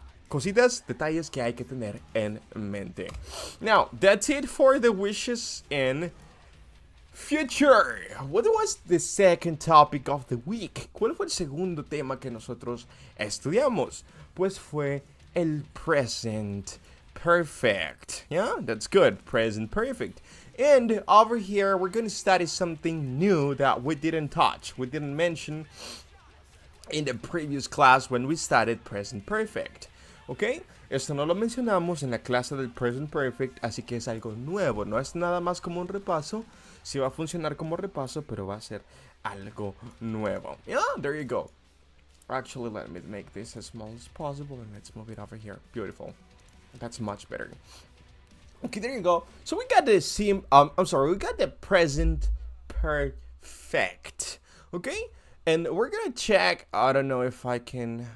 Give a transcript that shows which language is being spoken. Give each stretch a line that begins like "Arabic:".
Spanish: Cositas, detalles que hay que tener en mente.
English: Now, that's it for the wishes in future. What was the second topic of the week?
Spanish: ¿Cuál fue el segundo tema que nosotros estudiamos? Pues fue el present perfect.
English: Yeah, that's good.
Spanish: Present perfect.
English: And over here, we're going to study something new that we didn't touch. We didn't mention in the previous class when we studied present perfect. Okay?
Spanish: Esto no lo mencionamos en la clase del present perfect, así que es algo nuevo. No es nada más como un repaso. Sí va a funcionar como repaso, pero va a ser algo nuevo.
English: Yeah, there you go. Actually, let me make this as small as possible and let's move it over here. Beautiful. That's much better. Okay, there you go. So we got the we got the present perfect. Okay? And we're gonna check. I don't know if I can.